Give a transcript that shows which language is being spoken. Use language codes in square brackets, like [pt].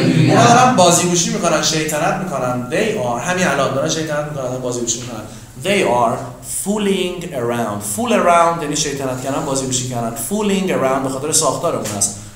[fa] اونا دارن بازیگوشی میکنن، شیطنت میکنن. [en] They are [fa] همین الان دارن شیطنت میکنن. [en] They are fooling around. [fa] Fool around یعنی شیطنت کردن، بازیگوشی کردن. Fooling around به خاطر ساختارمون هست.